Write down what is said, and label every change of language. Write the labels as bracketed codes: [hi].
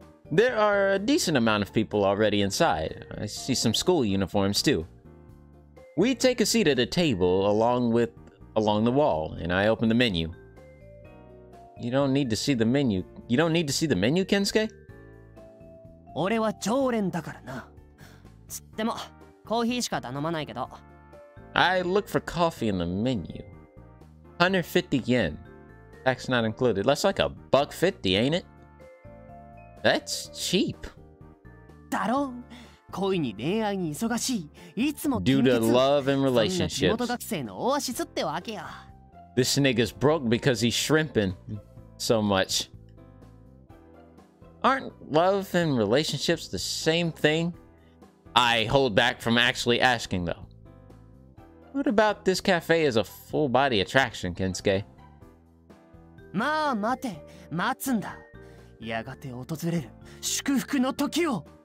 [en] There are a decent amount of people already inside. I see some school uniforms too. We take a seat at a table along the wall, and I open the menu. You don't need to see the menu, Kensuke? [ja] 俺は常連だからな。つってもコーヒーしか頼まないけど。 [en] I look for coffee in the menu. 150 yen. Tax not included. That's like $150, ain't it? That's cheap. [ja] だろ?恋に恋愛に忙しい。いつも気に入ってた。そんな地元学生のオアシスってわけや。 [en] This nigga's broke because he's shrimping so much. Aren't love and relationships the same thing? I hold back from actually asking though. What about this cafe as a full body attraction, Kensuke? [ja] まあ待て、待つんだ。やがて訪れる祝福の時を。